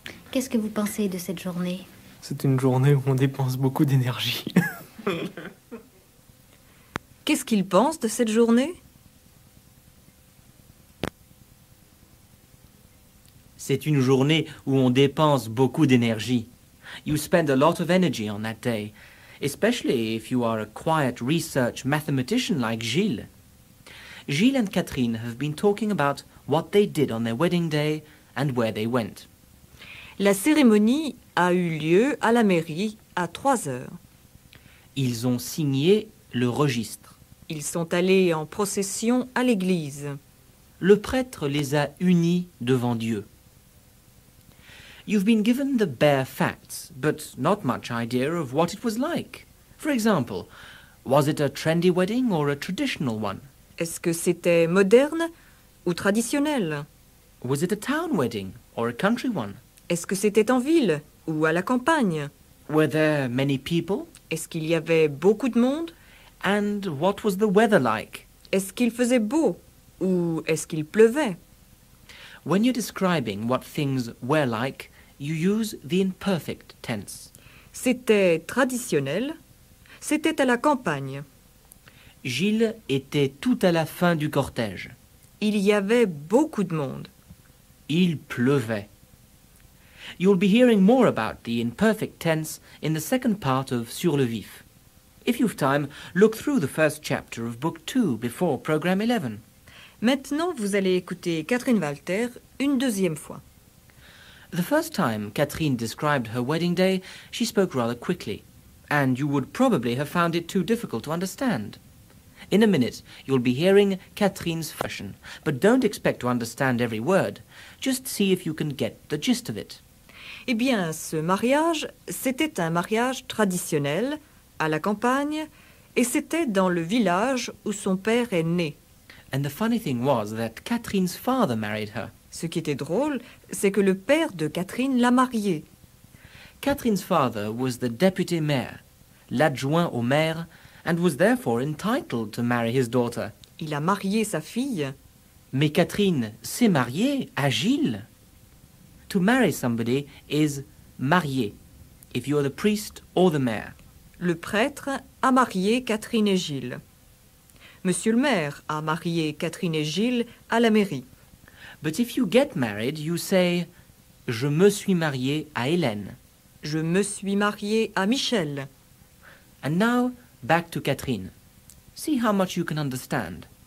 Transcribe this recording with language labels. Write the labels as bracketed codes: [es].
[fr] Qu'est-ce que vous pensez de cette journée? C'est une journée où on dépense beaucoup d'énergie. Qu'est-ce qu'il pense de cette journée? C'est une journée où on dépense beaucoup d'énergie. [en] You spend a lot of energy on that day, especially if you are a quiet research mathematician like Gilles. Gilles and Catherine have been talking about what they did on their wedding day and where they went. [fr] La cérémonie a eu lieu à la mairie à 3 heures. Ils ont signé le registre. Ils sont allés en procession à l'église. Le prêtre les a unis devant Dieu. [en] You've been given the bare facts, but not much idea of what it was like. For example, was it a trendy wedding or a traditional one? [fr] Est-ce que c'était moderne ou traditionnel? [en] Was it a town wedding or a country one? [fr] Est-ce que c'était en ville ou à la campagne? [en] Were there many people? [fr] Est-ce qu'il y avait beaucoup de monde? [en] And what was the weather like? [fr] Est-ce qu'il faisait beau ou est-ce qu'il pleuvait? [en] When you're describing what things were like, you use the imperfect tense. [fr] C'était traditionnel. C'était à la campagne. Gilles était tout à la fin du cortège. Il y avait beaucoup de monde. Il pleuvait. [en] You'll be hearing more about the imperfect tense in the second part of Sur le vif. If you've time, look through the first chapter of book 2 before program 11. [fr] Maintenant, vous allez écouter Catherine Walter une deuxième fois. [en] The first time Catherine described her wedding day, she spoke rather quickly, and you would probably have found it too difficult to understand. In a minute, you'll be hearing Catherine's version, but don't expect to understand every word. Just see if you can get the gist of it. [fr] Eh bien, ce mariage, c'était un mariage traditionnel, à la campagne, et c'était dans le village où son père est né. [en] And the funny thing was that Catherine's father married her. [fr] Ce qui était drôle, c'est que le père de Catherine l'a mariée. [en] Catherine's father was the deputy mayor, [fr] l'adjoint au maire, [en] and was therefore entitled to marry his daughter. [fr] Il a marié sa fille. Mais Catherine s'est mariée à Gilles. [en] To marry somebody is marier, if you are the priest or the mayor. [fr] Le prêtre a marié Catherine et Gilles. Monsieur le maire a marié Catherine et Gilles à la mairie. [en] But if you get married, you say, [fr] je me suis marié à Hélène. Je me suis marié à Michel. [en] And now, back to Catherine. See how much you can understand.